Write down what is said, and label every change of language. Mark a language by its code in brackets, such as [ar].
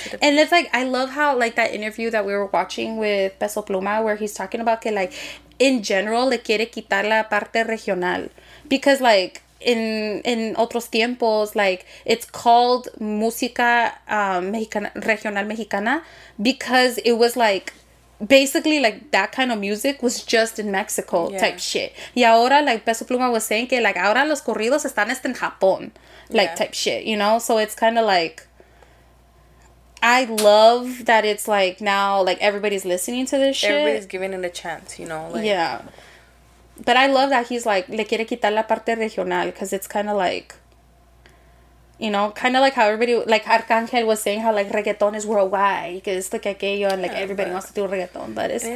[en] And it's like, I love how, like, that interview that we were watching with Peso Pluma, where he's talking about [es] que, [en] like, in general, [es] le quiere quitar la parte regional. [en] Because, like, in [es] otros tiempos, [en] like, it's called [es] música mexicana, regional mexicana, [en] because it was, like, basically, like, that kind of music was just in Mexico yeah. type shit. [es] Y ahora, [en] like, Peso Pluma was saying [es] que, like, ahora los corridos están hasta en Japón. [en] Like, yeah. type shit, you know? So it's kind of like, I love that it's, like, now, like, everybody's listening to this shit. Everybody's giving it a chance, you know? Like, yeah. But I love that he's, like, [es] le quiere quitar la parte regional, [en] because it's kind of, like, you know, kind of like how everybody, like, Arcángel was saying how, like, reggaeton is worldwide, because it's, like, [es] aquello, [en] and, like, yeah, everybody wants to do reggaeton, but it's...